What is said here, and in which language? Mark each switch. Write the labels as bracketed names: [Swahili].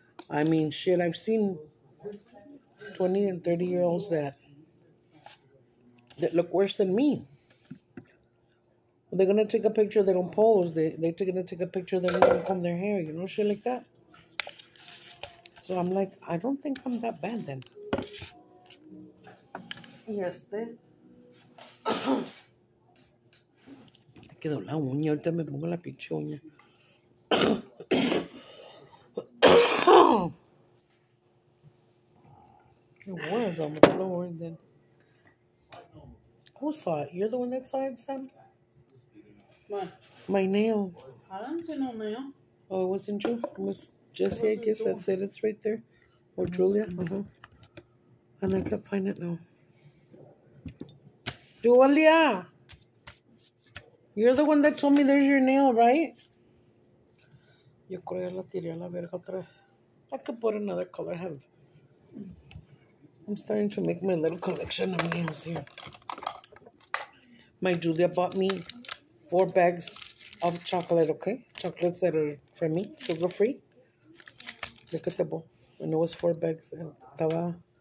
[English] I mean, shit, I've seen 20 and 30 year olds that look worse than me. They're going to take a picture, they don't pose. They're going to take a picture, they don't comb their hair, you know, shit like that. So I'm like, I don't think I'm that bad then. Yes, then. [Spanish] Me quedó la uña, ahorita me pongo la pinche uña. [English] It was on the floor and then. Who saw it? You're the one that saw it, Sam? What? My nail. I didn't see no nail. Oh, it wasn't you? It was Jesse, I guess, that said it's right there. Or Julia. Mm-hmm. Uh-huh. And I can't find it now. Julia! You're the one that told me there's your nail, right? [Spanish] Yo creo que la tiré a la verga otra vez. [English] I could put another color. I'm starting to make my little collection of nails here. My Julia bought me 4 bags of chocolate, okay? Chocolates that are for me, sugar free. Look at the bowl. And it was 4 bags. And [Spanish] estaba.